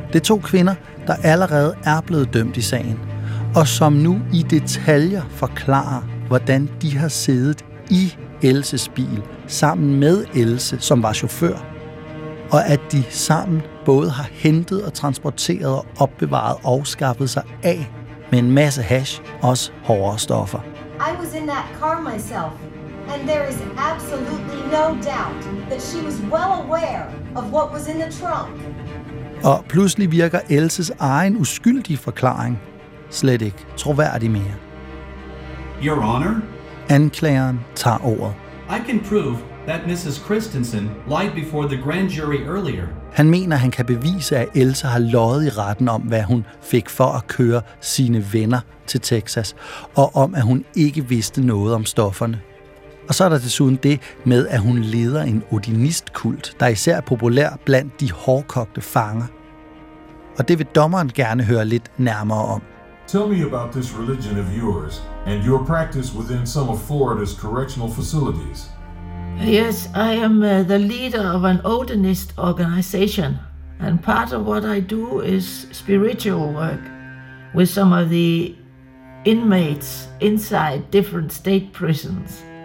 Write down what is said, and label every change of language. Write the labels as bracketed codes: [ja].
[da] Det er to kvinder, der allerede er blevet dømt i sagen, og som nu i detaljer forklarer, hvordan de har siddet i Elses bil sammen med Else, som var chauffør, og at de sammen både har hentet og transporteret og opbevaret og skaffet sig af med en masse hash, også hårdere stoffer. [en] I was in that car myself, and there is absolutely no doubt that she was well aware of what was in the trunk. [da] Og pludselig virker Elses egen uskyldige forklaring slet ikke troværdig mere. [en] Your Honor? [da] Anklageren tager ordet. [en] I can prove that Mrs. Christensen lied before the grand jury earlier. [da] Han mener, han kan bevise, at Elsa har løjet i retten om, hvad hun fik for at køre sine venner til Texas, og om, at hun ikke vidste noget om stofferne. Og så er der desuden det med, at hun leder en odinistkult, der er især populær blandt de hårdkogte fanger. Og det vil dommeren gerne høre lidt nærmere om. [en] Tell me about this religion of yours and your practice within some of Florida's correctional facilities. Yes, I am the leader of an Odinist organization, and part of what I do is spiritual work with some of the inmates inside different state prisons.